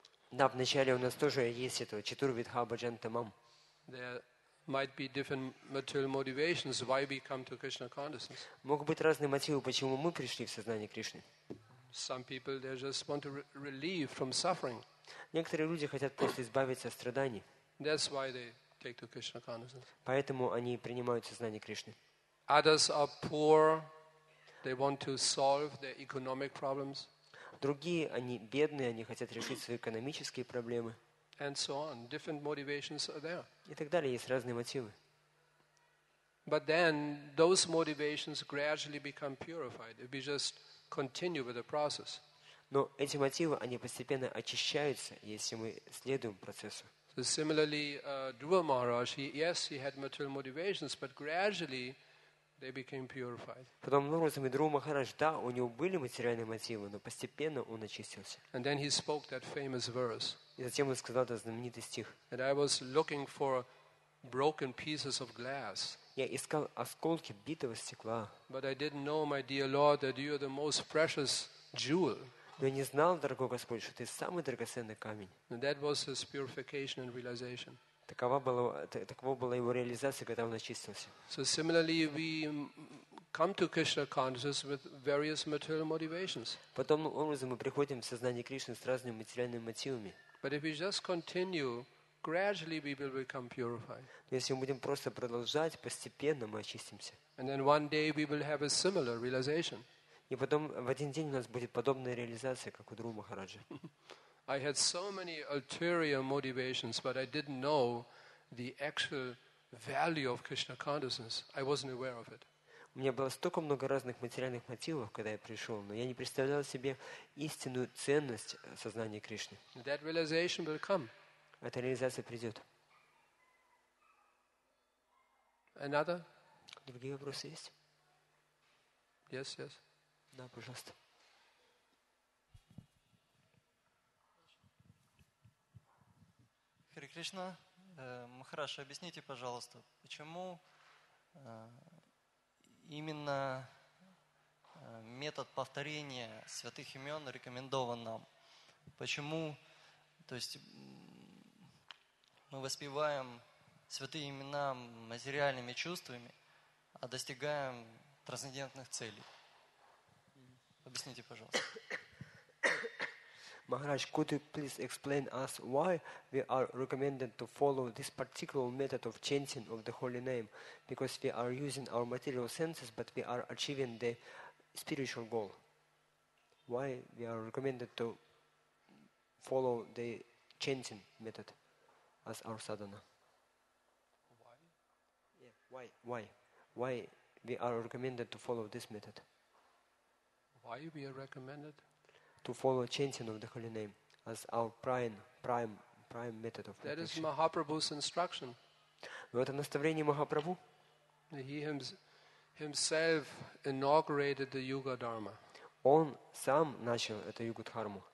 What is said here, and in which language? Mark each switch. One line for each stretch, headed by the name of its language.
Russian: Да, вначале у нас тоже есть это Чатурвида Бхаджанте Мам.
English: There might be different material motivations why we come to Krishna consciousness.
Russian: Могут быть разные мотивы, почему мы пришли в сознание Кришны.
English: Some people they just want to relieve from suffering.
Russian: Некоторые люди хотят просто избавиться от страданий.
English: That's why they take to Krishna consciousness.
Russian: Поэтому они принимают сознание Кришны.
English: Others are poor. They want to solve their economic problems.
Russian: Другие, они бедные, они хотят решить свои экономические проблемы.
English: And so on. Different motivations are there.
Russian: И так далее, есть разные мотивы.
English: But then those motivations gradually become purified if we just continue with the process.
Russian: Но эти мотивы, они постепенно очищаются, если мы следуем процессу.
English: So similarly, Dhruva Maharaj, he had material motivations, but gradually they became purified.
Russian: Потом образом и Дру Махарадж, да, у него были материальные мотивы, но постепенно он очистился.
English: And then he spoke that famous verse.
Russian: И затем он сказал этот знаменитый стих.
English: And I was looking for broken pieces of glass.
Russian: Я искал осколки битого стекла.
English: But I didn't know, my dear Lord, that you are the most precious jewel.
Russian: Но я не знал, дорогой Господь, что ты самый драгоценный камень.
English: And that was his purification and realization.
Russian: Такова была его реализация, когда он очистился.
English: So similarly, we come to Krishna consciousness with various material motivations.
Russian: Потом образом мы приходим в сознание Кришны с разными материальными мотивами.
English: But if we just continue, gradually we will become purified.
Russian: Если мы будем просто продолжать, постепенно мы очистимся.
English: And then one day we will have a similar realization.
Russian: И потом в один день у нас будет подобная реализация, как у Дру Махараджа.
English: I had so many ulterior motivations, but I didn't know the actual value of Krishna consciousness. I wasn't aware of it.
Russian: У меня было столько много разных материальных мотивов, когда я пришел, но я не представлял себе истинную ценность сознания Кришны.
English: That realization will come.
Russian: Эта реализация придет.
English: Another?
Russian: Другие вопросы есть?
English: Yes, yes.
Russian: Да, пожалуйста. Харе Кришна, Махараш, объясните, пожалуйста, почему именно метод повторения святых имен рекомендован нам? Почему, то есть, мы воспеваем святые имена материальными чувствами, а достигаем трансцендентных целей? Объясните, пожалуйста.
English: Maharaj, could you please explain us why we are recommended to follow this particular method of chanting of the holy name? Because we are using our material senses, but we are achieving the spiritual goal. Why we are recommended to follow the chanting method as our sadhana? Why? Yeah, why? Why? Why we are recommended to follow this method? Why we are recommended? To follow chanting of the holy name as our prime method of that is Mahaprabhu's instruction.
Russian: Это наставление Махапрабху.
English: He himself inaugurated the Yuga Dharma.
Russian: Он сам начал эту Юга Дхарму.